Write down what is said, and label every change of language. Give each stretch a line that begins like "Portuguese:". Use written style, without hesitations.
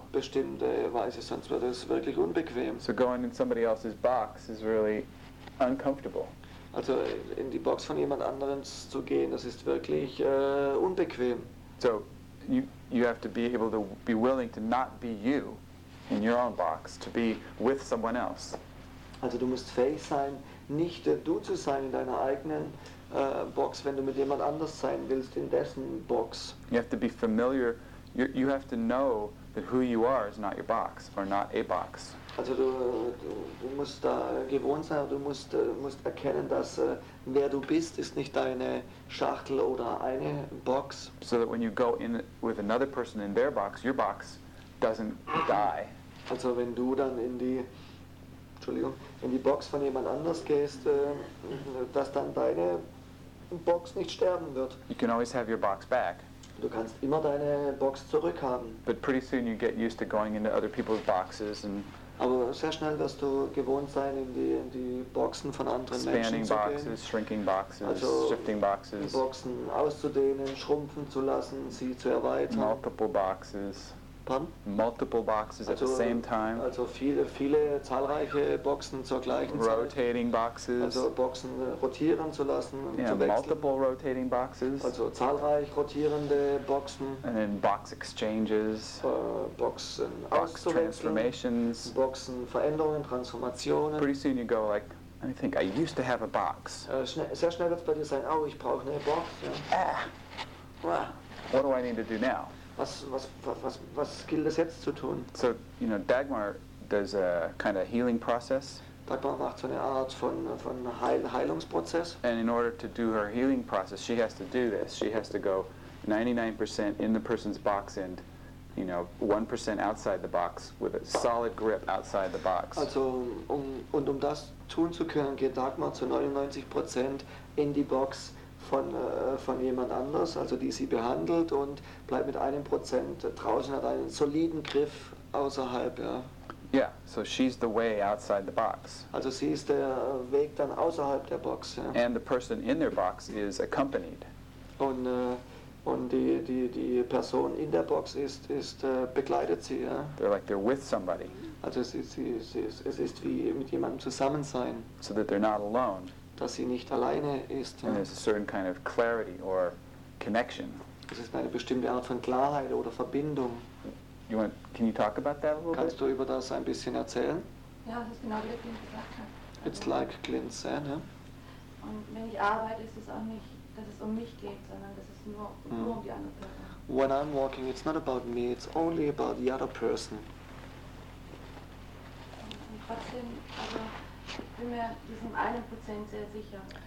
German: Eine bestimmte Weise, sonst wird es wirklich unbequem.
English: So going in somebody else's box is really uncomfortable.
German: Also in die Box von jemand anderem zu gehen, das ist wirklich unbequem.
English: So you have to be able to be willing to not be you in your own box, to be with someone else.
German: Also du musst fähig sein, nicht du zu sein in deiner eigenen Box, wenn du mit jemand anders sein willst, in dessen Box.
English: You have to be familiar, you have to know that who you are is not your box, or not a box.
German: Also du musst da gewohnt sein, du musst erkennen, dass wer du bist, ist nicht deine Schachtel oder eine Box.
English: So that when you go in with another person in their box, your box doesn't die.
German: Also wenn du dann in die Box von jemand anders gehst, dass dann deine Box nicht sterben wird.
English: You can always have your box back.
German: Du kannst immer deine Box zurückhaben.
English: But pretty soon you get used to going into other people's boxes and.
German: Aber sehr schnell wirst du gewohnt sein, in die Boxen von anderen Menschen zu gehen.
English: Expanding boxes, shrinking boxes,
German: also
English: shifting boxes.
German: Die Boxen auszudehnen, schrumpfen zu lassen, sie zu erweitern.
English: Multiple boxes. Multiple boxes
German: also,
English: at the same time.
German: Also viele, viele zahlreiche Boxen zur gleichen
English: rotating Rotating boxes.
German: Also Boxen rotieren zu lassen.
English: Yeah,
German: zu wechseln.
English: Multiple rotating boxes.
German: Also zahlreich rotierende Boxen.
English: And then box exchanges.
German: Boxen
English: box transformations.
German: Boxen Veränderungen, Transformationen.
English: Pretty soon you go like, I think I used to have a box.
German: Sehr schnell wird es bei dir sein, oh, ich brauche eine Box. Ja.
English: Ah. What do I need to do now?
German: Was gilt es jetzt zu tun?
English: So, you know, Dagmar does a kind of healing process.
German: Dagmar macht so eine Art von Heilungsprozess.
English: And in order to do her healing process, she has to do this. She has to go 99% in the person's box and, you know, 1% outside the box with a solid grip outside the box.
German: Also, um das tun zu können, geht Dagmar zu 99% in die Box von jemand anders, also die sie behandelt, und bleibt mit 1% draußen, hat einen soliden Griff außerhalb, ja.
English: Yeah, so she's the way outside the box.
German: Also sie ist der Weg dann außerhalb der Box, ja.
English: And the person in their box is accompanied.
German: Und die Person in der Box ist begleitet sie, ja.
English: They're like they're with somebody.
German: Also es ist wie mit jemandem zusammen sein.
English: So that they're not alone.
German: Dass sie nicht alleine ist.
English: And there's a certain kind of clarity or connection.
German: Es ist eine bestimmte Art von Klarheit oder Verbindung.
English: Can you talk about that a little
German: Kannst
English: bit?
German: Du über das ein bisschen erzählen? Ja, das ist genau wie Clint gesagt hat.
English: It's like Clint said, ja.
German: Und wenn ich arbeite, ist es auch nicht, dass es mich geht, sondern dass es nur um die andere Person.
English: When I'm walking, it's not about me, it's only about the other person.
German: Und trotzdem, also, ich bin mir diesem 1% sehr sicher.